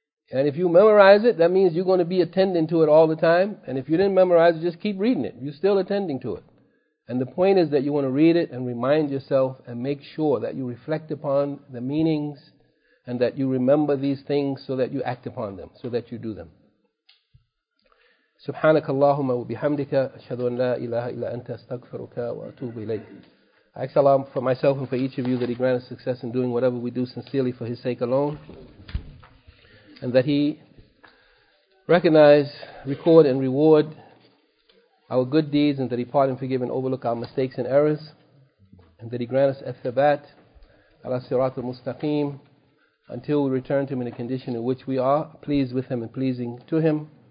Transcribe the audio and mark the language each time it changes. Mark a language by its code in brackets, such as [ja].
[en] And if you memorize it, that means you're going to be attending to it all the time. And if you didn't memorize it, just keep reading it. You're still attending to it. And the point is that you want to read it and remind yourself and make sure that you reflect upon the meanings and that you remember these things so that you act upon them, so that you do them. [ar] سبحانك اللهم وبحمدك أشهد أن لا إله إلا أنت أستغفرك وأتوب إليك. [en] I ask Allah for myself and for each of you that He grant us success in doing whatever we do sincerely for His sake alone, and that He recognize, record, and reward our good deeds, and that He pardon, forgive, and overlook our mistakes and errors, and that He grant us [ar] al-thabat ala sirat al-mustaqim [en] until we return to Him in a condition in which we are pleased with Him and pleasing to Him.